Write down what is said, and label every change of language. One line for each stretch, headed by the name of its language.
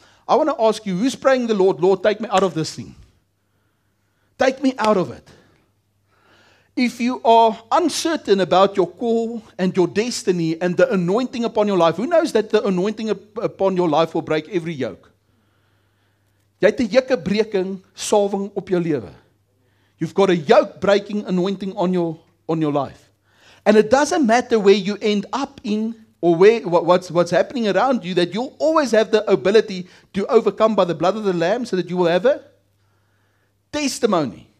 English: I want to ask you, who's praying the Lord? Lord, take me out of this thing. Take me out of it. If you are uncertain about your call and your destiny and the anointing upon your life, who knows that the anointing upon your life will break every yoke?
Afrikaans: Jy het 'n yoke breking salwing op jou lewe.
English: You've got a yoke breaking anointing on your life. And it doesn't matter where you end up in or what's happening around you, that you'll always have the ability to overcome by the blood of the Lamb so that you will have a testimony.